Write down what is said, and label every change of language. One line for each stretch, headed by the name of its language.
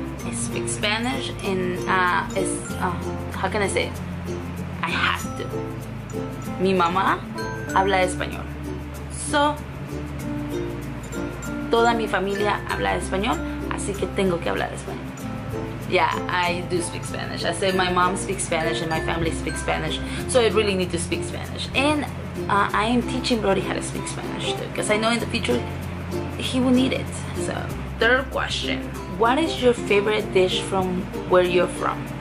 English: I speak Spanish and how can I say it? I have to.
Spanish: Mi mama habla español. So, toda mi familia habla español, así que tengo que hablar español.
English: Yeah, I do speak Spanish. I said my mom speaks Spanish and my family speaks Spanish, so I really need to speak Spanish. And I am teaching Brody how to speak Spanish too, because I know in the future he will need it. So, third question. What is your favorite dish from where you're from?